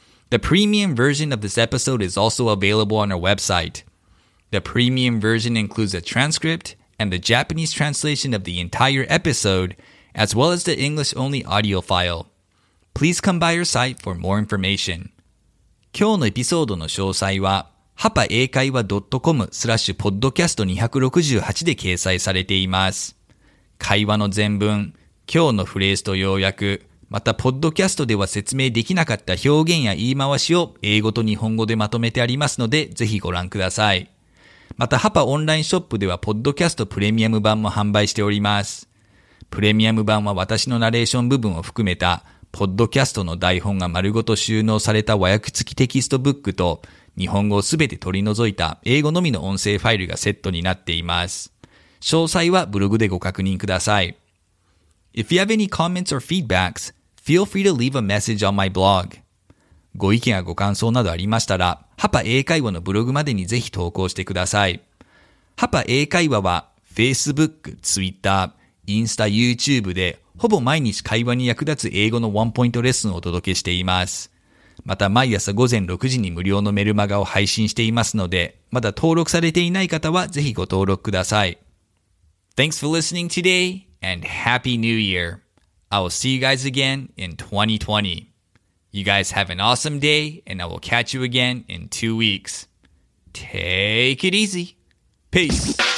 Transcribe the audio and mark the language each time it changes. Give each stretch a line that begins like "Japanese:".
English: The premium version of this episode is also available on our website. The premium version includes a transcript and the Japanese translation of the entire episode, as well as the English-only audio file. Please come by our site for more information.
Japanese: 今日のエピソードの詳細は、hapaeikaiwa.com/podcast268 で掲載されています。会話の全文、今日のフレーズと要約、またポッドキャストでは説明できなかった表現や言い回しを英語と日本語でまとめてありますので、ぜひご覧ください。またハパオンラインショップではポッドキャストプレミアム版も販売しております。プレミアム版は私のナレーション部分を含めた、ポッドキャストの台本が丸ごと収納された和訳付きテキストブックと、日本語をすべて取り除いた英語のみの音声ファイルがセットになっています。詳細はブログでご確認ください。
English: If you have any comments or feedbacks, feel free to leave a message on my blog.
Japanese: ご意見やご感想などありましたら、ハパ英会話のブログまでにぜひ投稿してください。ハパ英会話は、Facebook、Twitter、インスタ、YouTube でほぼ毎日会話に役立つ英語のワンポイントレッスンをお届けしています。また毎朝午前6時に無料のメルマガを配信していますので、まだ登録されていない方はぜひご登録ください。
English: Thanks for listening today and Happy New Year. I will see you guys again in 2020. You guys have an awesome day and I will catch you again in 2 weeks. Take it easy. Peace.